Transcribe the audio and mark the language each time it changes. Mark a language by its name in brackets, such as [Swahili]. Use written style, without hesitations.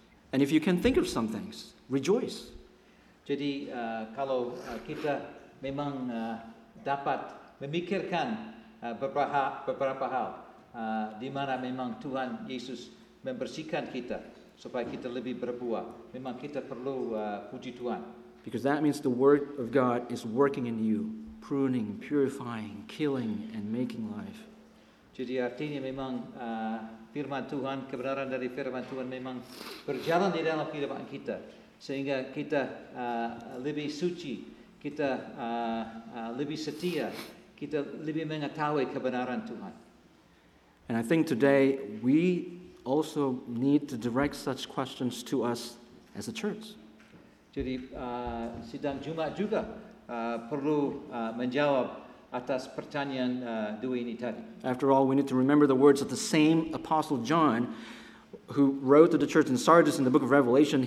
[English] And if you can think of some things, rejoice. [Indonesian] Jadi kalau kita memang dapat memikirkan beberapa hal di mana memang Tuhan Yesus membersihkan kita supaya kita lebih berbuah, memang kita perlu puji Tuhan. [English] Because that means the word of God is working in you, pruning, purifying, killing, and making life. [Indonesian] Jadi artinya memang firman Tuhan, kebenaran dari firman Tuhan memang berjalan di dalam kehidupan kita, sehingga kita lebih suci, kita lebih setia, kita lebih mengetahui kebenaran Tuhan. [English] And I think today we also need to direct such questions to us as a church. [Indonesian] Jadi sidang Jumat juga perlu menjawab atas pertanyaan dua ini tadi. [English] After all, we need to remember the words of the same Apostle John, who wrote to the church in Sardis in the book of Revelation.